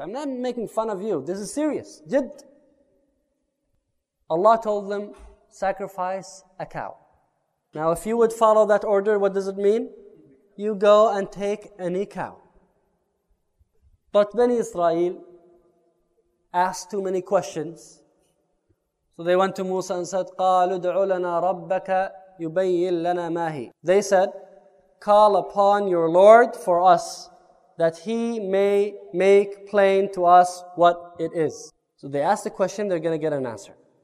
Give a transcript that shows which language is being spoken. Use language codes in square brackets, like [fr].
[en] I'm not making fun of you. This is serious. Jid. Allah told them, sacrifice a cow. Now, if you would follow that order, what does it mean? You go and take any cow. But Bani Israel asked too many questions. So they went to Musa and said, [ar] قَالُ دُعُ لَنَا رَبَّكَ يُبَيِّن لَنَا مَا هِي. [en] They said, "Call upon your Lord for us, that he may make plain to us what it is." So they asked the question, they're going to get an answer.